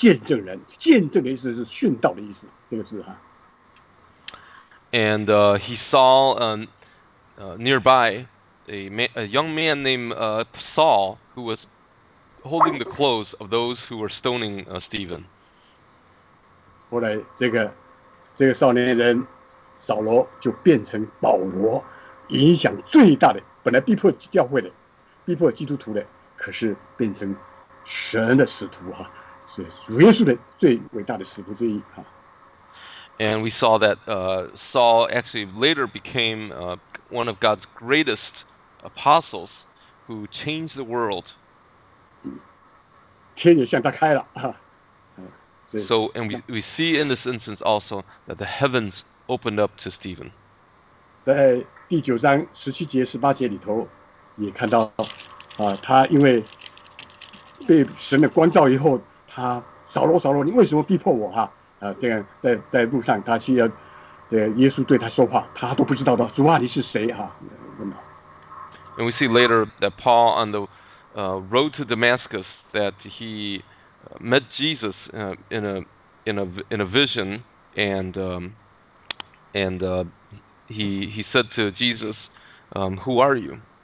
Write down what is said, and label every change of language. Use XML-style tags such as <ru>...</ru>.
<zh>其中在旁边在看衣服的有一个少年人叫做扫罗，看到这个形象的时候也很高兴，可是很矛盾。他看到这个人真是一个见证人，见证的意思是殉道的意思，这个字哈。</zh> <en>And he saw nearby a young man named Saul who was holding the clothes of those who were stoning Stephen.</en> <zh>后来这个少年人。扫罗就变成保罗，影响最大的，本来逼迫教会的，逼迫基督徒的，可是变成神的使徒哈，是主耶稣的最伟大的使徒之一哈。</zh> <en>And we saw that Saul actually later became one of God's greatest apostles who changed the world. So, and we see in this instance also that the heavens opened up to Stephen.</en> <zh>在第九章十七节十八节里头也看到，他因为被神的光照以后，他扫罗，你为什么逼迫我？这样在路上，他需要耶稣对他说话，他都不知道的，主啊，你是谁？问到。</zh> <en>And we see later that Paul on the road to Damascus that he met Jesus in a vision and he said to Jesus, who are you?</en>